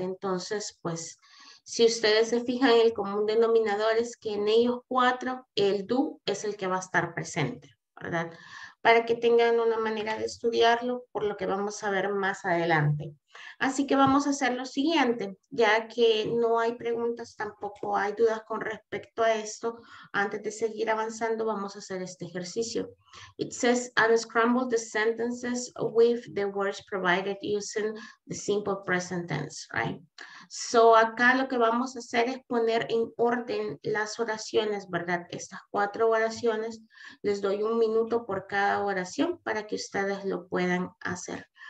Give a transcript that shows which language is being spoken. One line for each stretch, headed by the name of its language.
Spanish: Entonces, pues, si ustedes se fijan, el común denominador es que en ellos cuatro, el do es el que va a estar presente, ¿verdad? Para que tengan una manera de estudiarlo, por lo que vamos a ver más adelante. Así que vamos a hacer lo siguiente, ya que no hay preguntas, tampoco hay dudas con respecto a esto. Antes de seguir avanzando, vamos a hacer este ejercicio.
English: It says, unscramble the sentences with the words provided using the simple present tense, right?
Spanish: So, acá lo que vamos a hacer es poner en orden las oraciones, ¿verdad? Estas cuatro oraciones, les doy un minuto por cada oración para que ustedes lo puedan hacer.